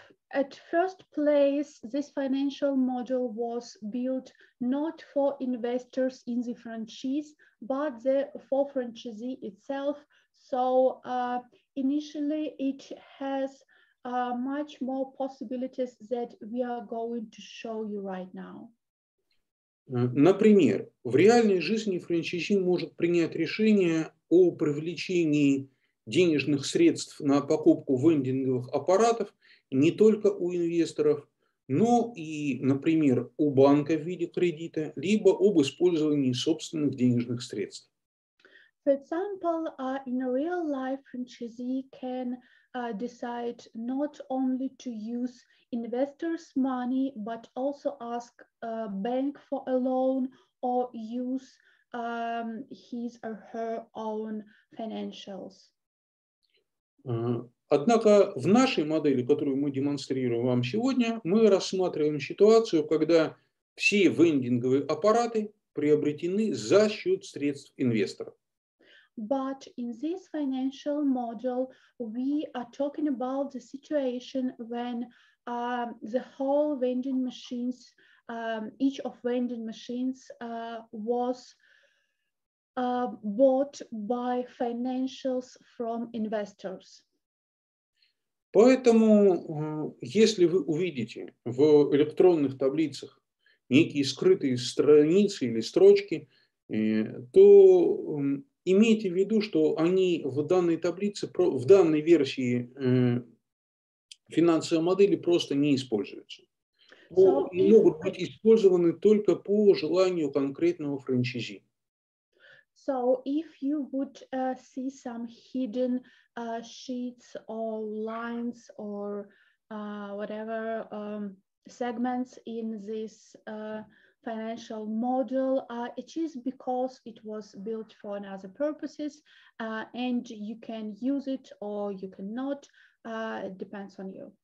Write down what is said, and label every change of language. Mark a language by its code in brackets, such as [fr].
[en] At first place, this financial model was built not for investors in the franchise, but for franchisee itself. So initially it has much more possibilities that we are going to show you right now. [ru] Например, в реальной жизни франчайзи может принять решение о привлечении денежных средств на покупку вендинговых аппаратов не только у инвесторов, но и, например, у банка в виде кредита, либо об использовании собственных денежных средств. [en] For example, in real life, franchisee can decide not only to use investors' money, but also ask a bank for a loan or use his or her own financials. [ru] Однако в нашей модели, которую мы демонстрируем вам сегодня, мы рассматриваем ситуацию, когда все вендинговые аппараты приобретены за счет средств инвесторов. [en] But in this financial model, we are talking about the situation when the whole vending machines, each of vending machines was bought by financials from investors. [ru] Поэтому, если вы увидите в электронных таблицах некие скрытые страницы или строчки, то имейте в виду, что они в данной таблице, в данной версии финансовой модели просто не используются. Они могут быть использованы только по желанию конкретного франчайзи. [en] So if you would see some hidden sheets or lines or whatever segments in this financial model, it is because it was built for another purposes and you can use it or you cannot, it depends on you.